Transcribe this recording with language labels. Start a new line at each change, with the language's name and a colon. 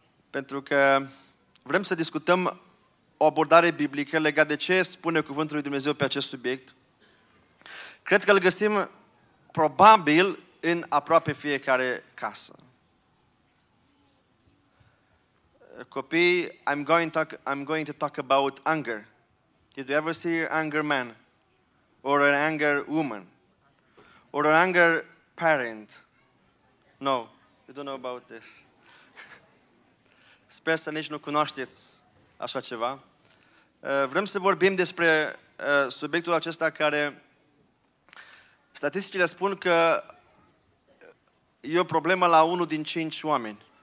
Romanian: Pentru că vrem să discutăm o abordare biblică legat de ce spune Cuvântul lui Dumnezeu pe acest subiect. Cred că îl găsim probabil în aproape fiecare casă.
English: Copii, I'm going to talk about anger. Did you ever see an anger man? Or an anger woman? Or an anger parent? No, you don't know about this.
Romanian: Sper să nici nu cunoașteți așa ceva. Vrem să vorbim despre subiectul acesta care statisticile spun că e o problemă la 1 din 5 oameni.